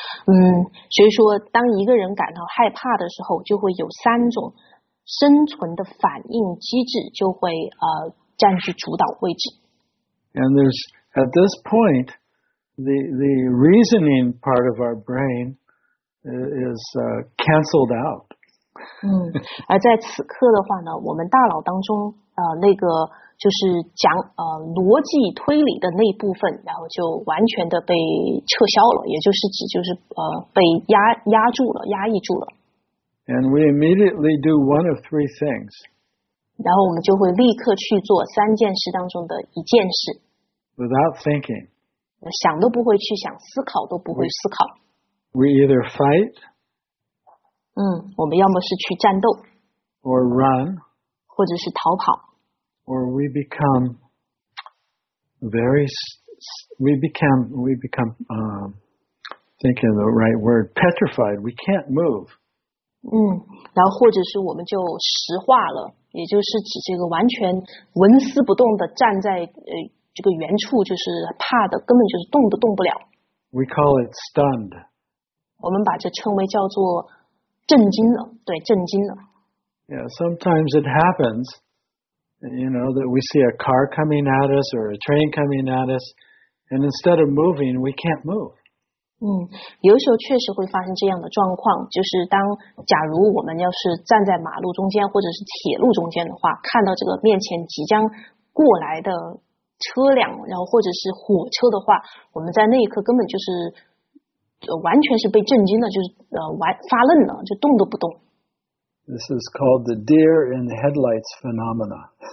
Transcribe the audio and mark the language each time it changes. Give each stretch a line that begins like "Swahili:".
Chinese: 嗯，所以说，当一个人感到害怕的时候，就会有三种生存的反应机制，就会占据主导位置。
English: And there's at this point, the reasoning part of our brain. Is cancelled out.
Chinese: 而在此刻的话呢，我们大脑当中那个就是讲逻辑推理的那部分，然后就完全的被撤销了，也就是指就是被压住了，压抑住了。
English: And we immediately do one of three things.
Chinese: 然后我们就会立刻去做三件事当中的一件事。
English: Without thinking.
Chinese: 想都不会去想，思考都不会思考。
English: We either fight,
Chinese: 我们要么是去战斗
English: ，or run,
Chinese: 或者是逃跑
English: ，or we become thinking the right word, petrified. We can't move.
Chinese: 然后或者是我们就石化了，也就是指这个完全纹丝不动的站在这个原处，就是怕的根本就是动都动不了。
English: We call it stunned.
Chinese: 我们把这称为叫做震惊了，对，震惊了。
English: Yeah, sometimes it happens, you know, that we see a car coming at us or a train coming at us, and instead of moving, we can't move.
Chinese: 有时候确实会发生这样的状况，就是当假如我们要是站在马路中间或者是铁路中间的话，看到这个面前即将过来的车辆，然后或者是火车的话，我们在那一刻根本就是。完全是被震惊的，就是发愣了，就动都不动。
English: This is called the deer in the headlights phenomena.